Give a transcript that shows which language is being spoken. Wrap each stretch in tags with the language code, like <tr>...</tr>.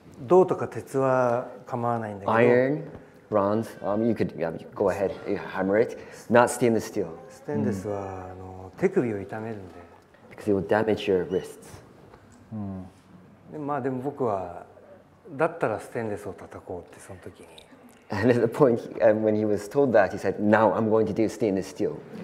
<ja>銅とか鉄は構わないんだけど。</ja> <en>Iron, bronze, you could go ahead, you hammer it. Not stainless steel.</en> <ja>ステンレスは、手首を痛めるんで。</ja> <en>Because it will damage your wrists.</en> <ja>でも僕は、だったらステンレスを叩こうってその時に。</ja> <en>And at the point, when he was told that, he said, now I'm going to do stainless steel.</en>